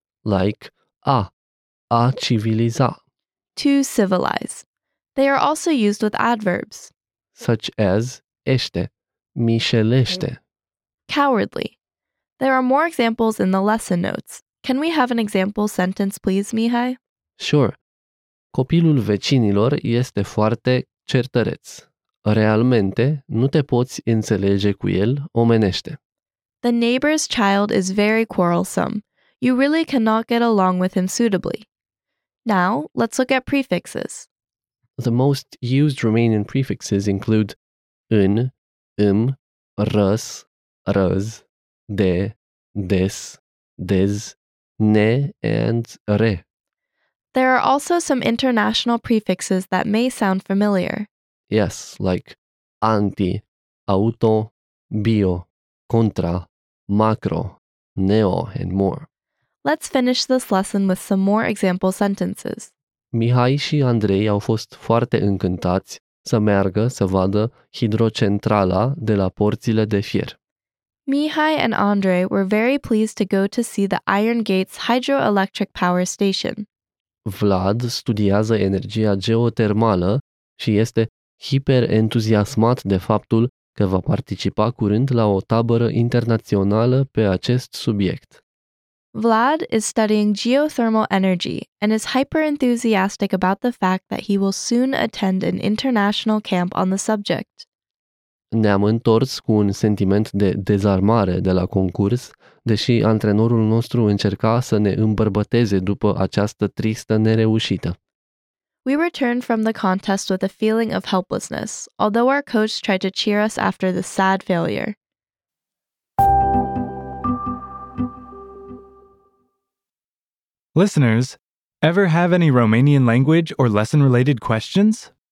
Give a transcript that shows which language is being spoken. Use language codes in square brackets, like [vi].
[en] Like a, a civiliza. To civilize. They are also used with adverbs. Such as este, mișelește. Cowardly. There are more examples in the lesson notes. Can we have an example sentence, please, Mihai? Sure. [ro] Copilul vecinilor este foarte certăreț. Realmente, nu te poți înțelege cu el omenește. [en] The neighbor's child is very quarrelsome. You really cannot get along with him suitably. Now, let's look at prefixes. The most used Romanian prefixes include în, îm, răs, răz, de, des, dez, ne, and re. There are also some international prefixes that may sound familiar. Yes, like anti, auto, bio, contra, macro, neo, and more. Let's finish this lesson with some more example sentences. [ro] Mihai și Andrei au fost foarte încântați să meargă să vadă hidrocentrala de la porțile de fier. [en] Mihai and Andrei were very pleased to go to see the Iron Gates hydroelectric power station. [ro] Vlad studiază energia geotermală și este hiperentuziasmat de faptul că va participa curând la o tabără internațională pe acest subiect. [en] Vlad is studying geothermal energy and is hyper-enthusiastic about the fact that he will soon attend an international camp on the subject. [ro] Ne-am întors cu un sentiment de dezarmare de la concurs, deși antrenorul nostru încerca să ne îmbărbăteze după această tristă nereușită. [en] We returned from the contest with a feeling of helplessness, although our coach tried to cheer us after the sad failure. Listeners, ever have any Romanian language or lesson-related questions?